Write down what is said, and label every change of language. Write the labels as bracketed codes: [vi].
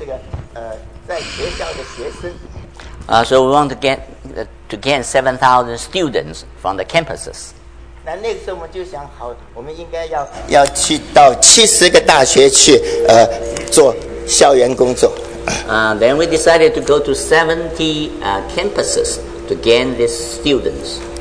[zh] 那么既然要得到这七千人呢，这我们就觉得是得到七千个这个在学校的学生。 [en] So we want to gain 7,000 students from the campuses. [zh] 那个时候我们就想好，我们应该要去到七十个大学去做。 [en] Then we decided to go to 70 campuses to gain these students.